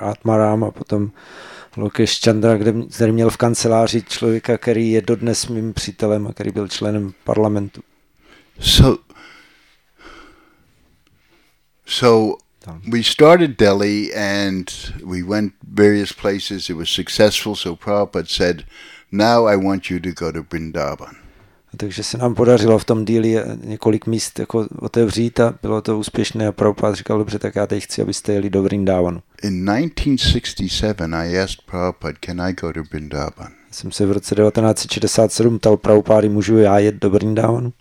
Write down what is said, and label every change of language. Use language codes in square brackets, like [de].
[cs] Atmaram a potom Lokesh Chandra, který měl v kanceláři člověka, který je dodnes mým přítelem a který byl členem parlamentu. [en] So we started Delhi and we went various places. It was successful, so Prabhupada said, now I want you to go to Vrindavan. [cs] Takže se nám podařilo v tom Delhi několik míst jako otevřít a bylo to úspěšné a Prabhupada říkal, dobře, tak já teď chci, abyste jeli do Vrindavanu. [en] In 1967 I asked Prabhupada, can I go to Vrindavan? [cs] Jsem se v roce 1967 ptal Prabhupady, můžu já jet do Vrindavanu?